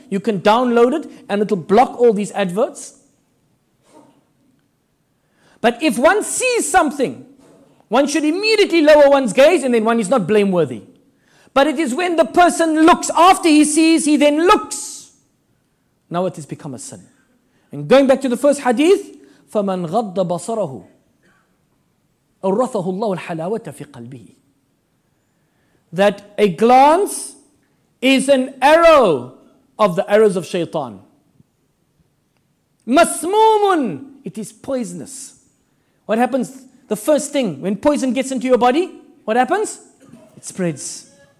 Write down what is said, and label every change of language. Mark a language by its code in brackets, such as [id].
[en] You can download it and it'll block all these adverts. But if one sees something, one should immediately lower one's gaze and then one is not blameworthy. But it is when the person looks, after he sees, he then looks. Now it has become a sin. And going back to the first hadith, [ar] فَمَنْ غَضَّ بَصَرَهُ أَرَّثَهُ اللَّهُ الْحَلَاوَةَ فِي قَلْبِهِ. [en] That a glance is an arrow of the arrows of shaitan. [ar] مَسْمُومٌ. [en] It is poisonous. What happens? The first thing, when poison gets into your body, what happens? It spreads.